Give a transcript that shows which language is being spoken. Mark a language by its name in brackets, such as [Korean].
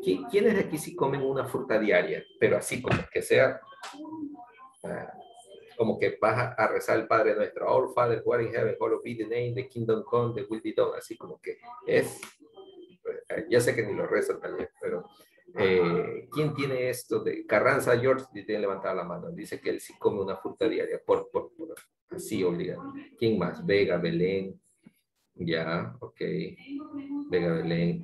[Spanish] ¿Quiénes de aquí sí comen una fruta diaria? Pero así como que sea, como que vas a rezar el Padre Nuestro. [English] Our Father who art in heaven, hallowed be the name, the kingdom come, the will be done. [Spanish] Así como que es, ya sé que ni lo rezan también, pero ¿quién tiene esto? De Carranza, George, tiene que levantar la mano. Dice que él sí come una fruta diaria, por así obligado. ¿Quién más? Vega, Belén. Ya, ok. Vega Belén.